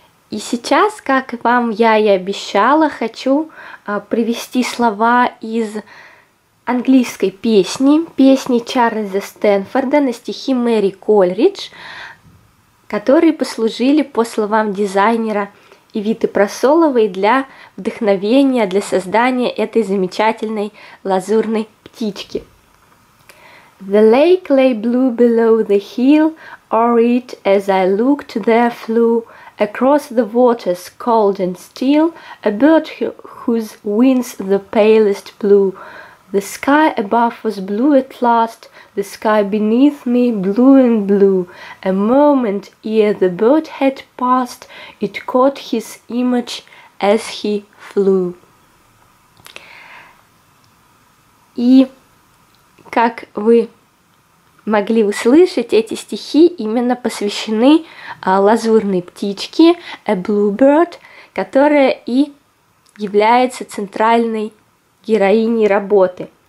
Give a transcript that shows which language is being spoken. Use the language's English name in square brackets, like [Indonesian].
[Russian] И сейчас, как вам я и обещала, хочу привести слова из английской песни, песни Чарльза Стэнфорда на стихи Мэри Кольридж, которые послужили, по словам дизайнера Эвиты Просоловой, для вдохновения, для создания этой замечательной лазурной птички. [English] The lake lay blue below the hill, arid as I looked there flew. Across the waters cold and still, a bird whose wings the palest blue. The sky above was blue at last, the sky beneath me blue and blue. A moment ere the bird had passed, it caught his image as he flew. [Russian] И, как вы могли услышать, эти стихи именно посвящены лазурной птичке, [English] a bluebird, [Russian] которая и является центральной героиней работы.